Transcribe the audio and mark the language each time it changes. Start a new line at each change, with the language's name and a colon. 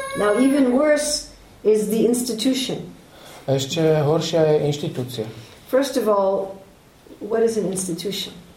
English: Now even worse is the institution.
Slovak: Ešte horšia je inštitúcia.
English: First of all, what is an institution?